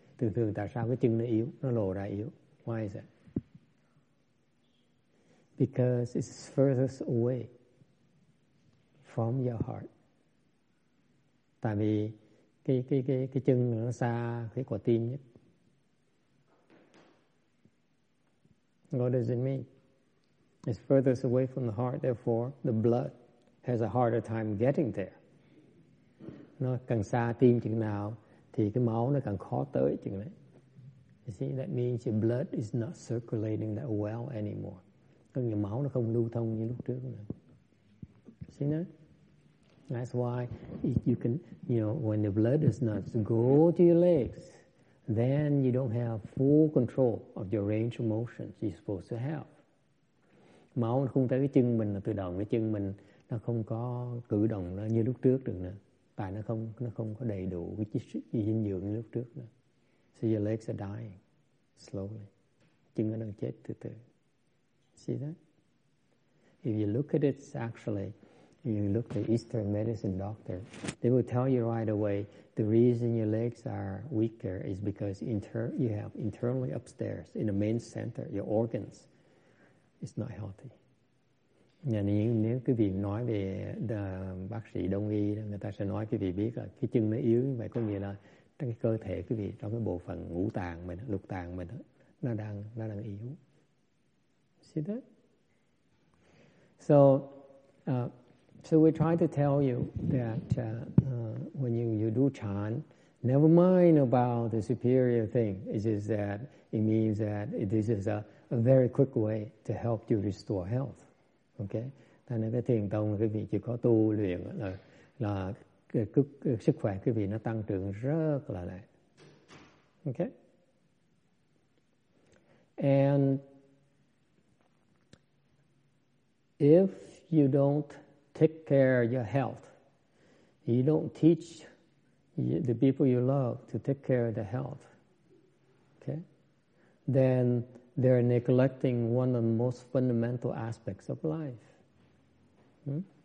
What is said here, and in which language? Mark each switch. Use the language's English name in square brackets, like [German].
[Vietnamese] Thường thường tại sao cái chân nó yếu, nó lộ ra yếu? [English] Why is that? Because it's furthest away from your heart. [Vietnamese] Tại vì cái chân nó xa cái quả tim nhất. [English] What does it mean? It's furthest away from the heart, therefore the blood has a harder time getting there. [Vietnamese] Nó càng xa tim chừng nào thì cái máu nó càng khó tới chừng đấy. [English] You see, that means your blood is not circulating that well anymore. [Vietnamese] Có nghĩa máu nó không lưu thông như lúc trước nữa. [English] See that? That's why if you can, you know, when the blood does not go to your legs, then you don't have full control of your range of motions you're supposed to have. [Vietnamese] Máu nó không tới cái chân mình là tự động cái chân mình nó không có cử động nó như lúc trước được nữa, tại nó không có đầy đủ cái chất dinh dưỡng như lúc trước nữa. [English] So your legs are dying slowly. [Vietnamese] Chân nó đang chết từ từ. [English] See that? If you look at it, actually, if you look at Eastern medicine doctor, they will tell you right away the reason your legs are weaker is because you have internally upstairs in the main center your organs. It's not healthy. [Vietnamese] Nếu quý vị nói về bác sĩ đông y, người ta sẽ nói quý vị biết là cái chân nó yếu như vậy, có nghĩa là trong cái cơ thể quý vị, trong cái bộ phận ngũ tạng mình, lục tạng mình, nó đang yếu. [English] See that? So, so we try to tell you that when you do chan, never mind about the superior thing. It's just that it means that this is a very quick way to help you restore health. Okay? [Vietnamese] Thế nên cái thiền tông quý vị chỉ có tu luyện là sức khỏe quý vị nó tăng trưởng rất là lẹ. [English] Okay? And if you don't take care of your health, you don't teach the people you love to take care of their health, okay, then they're neglecting one of the most fundamental aspects of life.